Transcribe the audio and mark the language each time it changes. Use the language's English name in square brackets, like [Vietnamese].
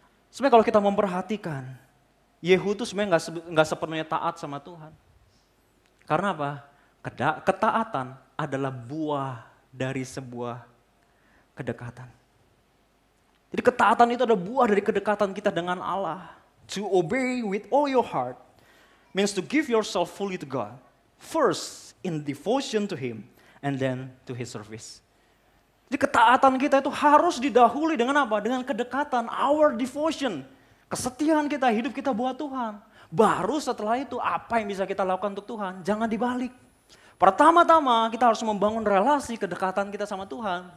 [Indonesian] Sebenarnya kalau kita memperhatikan, Yehu itu sebenarnya gak sepenuhnya taat sama Tuhan. Karena apa? Ketaatan adalah buah dari sebuah kedekatan. Jadi ketaatan itu adalah buah dari kedekatan kita dengan Allah. [English] To obey with all your heart means to give yourself fully to God. First in devotion to Him and then to His service. [Indonesian] Jadi ketaatan kita itu harus didahului dengan apa? Dengan kedekatan, [English] our devotion. [Indonesian] Kesetiaan kita, hidup kita buat Tuhan. Baru setelah itu apa yang bisa kita lakukan untuk Tuhan? Jangan dibalik. Pertama-tama kita harus membangun relasi kedekatan kita sama Tuhan.